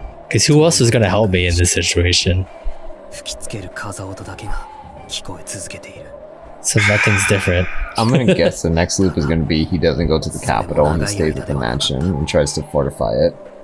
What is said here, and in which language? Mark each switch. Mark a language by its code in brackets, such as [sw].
[en] Because who else is gonna help me in this situation? [ja] 吹きつける風音だけが。 [en] So nothing's different. I'm gonna guess the next loop is gonna be he doesn't go to the capital and he stays at the mansion and tries to fortify it.